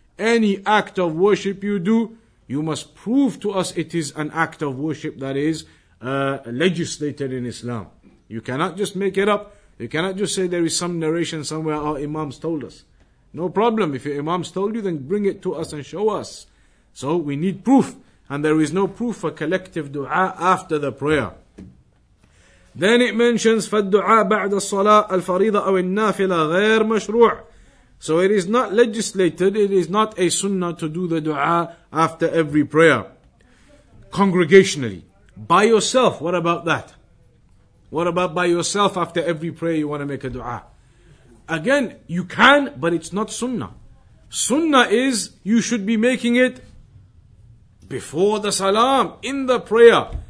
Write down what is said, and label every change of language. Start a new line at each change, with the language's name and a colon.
English: Any act of worship you do, you must prove to us it is an act of worship that is legislated in Islam. You cannot just make it up. You cannot just say there is some narration somewhere our imams told us. No problem. If your imams told you, then bring it to us and show us. So we need proof. And there is no proof for collective dua after the prayer. Then it mentions
Arabic: فالدعاء بعد الصلاة الفريضة أو النافلة غير مشروع.
English: So it is not legislated, it is not a sunnah to do the dua after every prayer. Congregationally. By yourself, what about that? What about by yourself after every prayer you want to make a dua? Again, you can, but it's not sunnah. Sunnah is you should be making it before the salam, in the prayer.